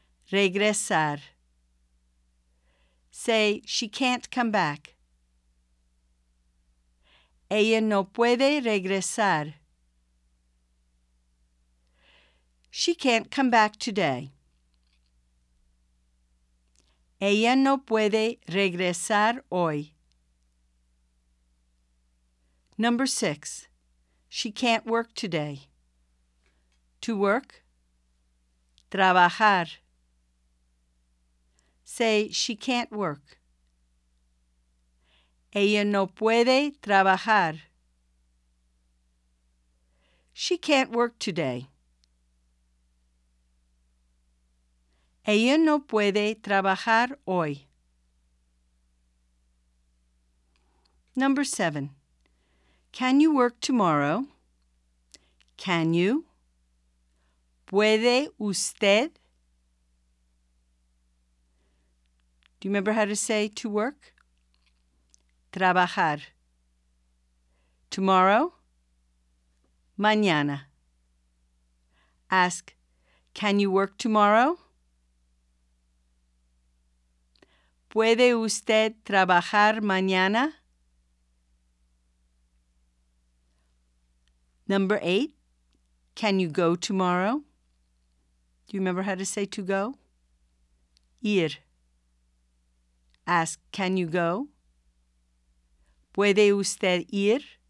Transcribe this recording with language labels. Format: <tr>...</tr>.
<es>Regresar.</es> <en>Say, she can't come back.</en> <es>Ella no puede regresar.</es> <en>She can't come back today.</en> <es>Ella no puede regresar hoy.</es> <en>Number 6, she can't work today. To work?</en> <es>Trabajar.</es> <en>Say, she can't work.</en> <es>Ella no puede trabajar.</es> <en>She can't work today.</en> <es>Ella no puede trabajar hoy.</es> <en>Number 7. Can you work tomorrow? Can you?</en> <es>¿Puede usted?</es> <en>Do you remember how to say to work?</en> <es>Trabajar.</es> <en>Tomorrow?</en> <es>Mañana.</es> <en>Ask, can you work tomorrow?</en> <es>¿Puede usted trabajar mañana?</es> <en>Number 8, can you go tomorrow? Do you remember how to say to go?</en> <es>Ir.</es> <en>Ask, can you go?</en> <es>¿Puede usted ir?</es>